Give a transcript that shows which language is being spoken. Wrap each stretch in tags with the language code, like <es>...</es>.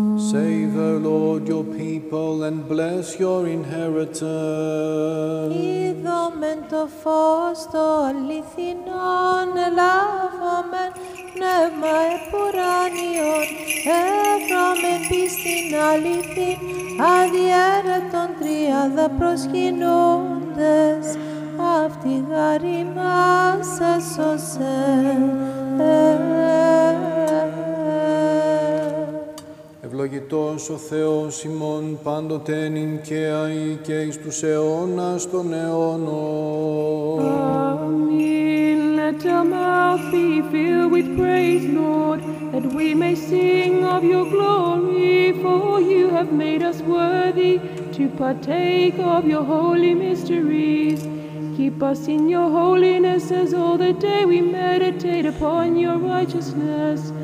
<en>Save, O Lord, your people and bless your inheritance.</en> <el>Είδομεν το φως το αληθινόν, ελάβομεν πνεύμα επουράνιον, εύρομεν πίστην αληθήν, αδιαίρετον τριάδα προσκυνώντες, αυτή γαρήμα σε σώσε. Ευλογητός ο Θεός ημών πάντοτε νυν και αεί και εις τους αιώνας των αιώνων.</el> <en>Amen. Let our mouth be filled with praise, Lord, that we may sing of your glory, for you have made us worthy to partake of your holy mysteries. Keep us in your holiness as all the day we meditate upon your righteousness.</en>